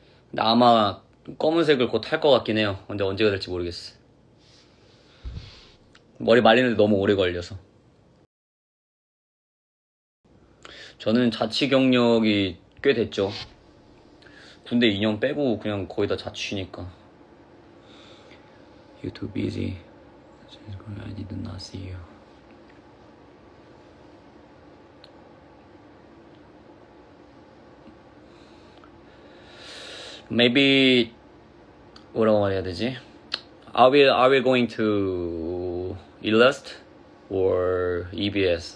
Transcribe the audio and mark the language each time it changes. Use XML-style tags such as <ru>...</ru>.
<ko>근데 아마 검은색을 곧 할 것 같긴 해요. 근데 언제가 될지 모르겠어. 머리 말리는데 너무 오래 걸려서. 저는 자취 경력이 꽤 됐죠. 군대 2년 빼고 그냥 거의 다 자취니까.</ko> <en>You too busy. I need to not see you.</en> <ko>Maybe 뭐라고 말해야 되지?</ko> <en>Are we going to Illust or EBS?</en>